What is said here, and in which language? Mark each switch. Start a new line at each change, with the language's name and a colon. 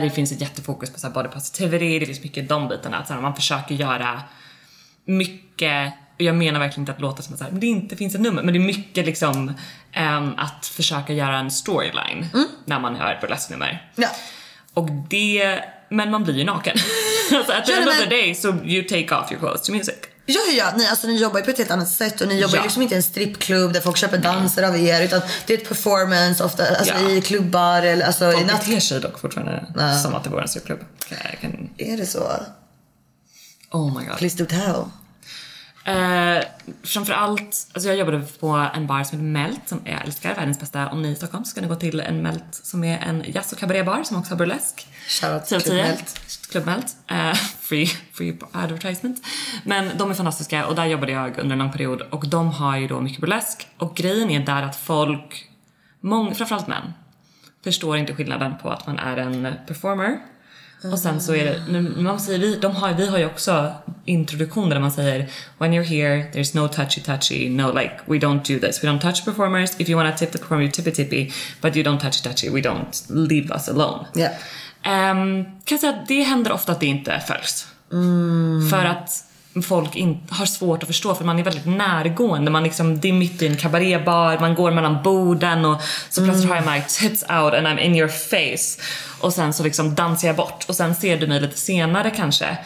Swedish: Det finns ett jättefokus på så här body positivity. Det finns mycket de bitarna, att så här, man försöker göra mycket. Jag menar verkligen inte att låta som att det inte finns ett nummer, men det är mycket liksom att försöka göra en storyline när man hör burlesk nummer. Ja. Och det, men man blir ju naken.
English: Alltså at the end of the day, so you take off your clothes to music.
Swedish: Ja. Ni, alltså, ni jobbar ju på ett helt annat sätt. Och ni jobbar ju liksom inte i en strippklubb där folk köper danser av er, utan det är ett performance ofta, alltså i klubbar eller, alltså, folk i beter sig dock fortfarande som att det var en strippklubb. Är det så?
English: Oh my god. Please do tell.
Swedish: Framförallt, alltså jag jobbade på en bar som heter Melt, som jag älskar, världens bästa. Om ni är i Stockholm ska ni gå till en Melt, som är en jazz- och kabaré-bar som också har burlesk. Shoutout till Club Melt.
English: Club Melt, free advertisement.
Swedish: Men de är fantastiska och där jobbade jag under en lång period. Och de har ju då mycket burlesk. Och grejen är där att folk, framförallt män, förstår inte skillnaden på att man är en performer. Och sen så är det, man säger, vi har ju också introduktioner där man säger,
English: when you're here, there's no touchy-touchy, no, like, we don't do this. We don't touch performers. If you want to tip the performer, you tippy-tippy, but you don't touchy-touchy, we don't leave us alone. Yeah.
Swedish: Kan jag säga att det händer ofta att det inte följs. Mm. För att folk har svårt att förstå, för man är väldigt närgående. Man liksom, det är mitt i en kabarébar, man går mellan borden och så plötsligt har jag
English: my tits out and I'm in your face.
Swedish: Och sen så liksom dansar jag bort och sen ser du mig lite senare kanske.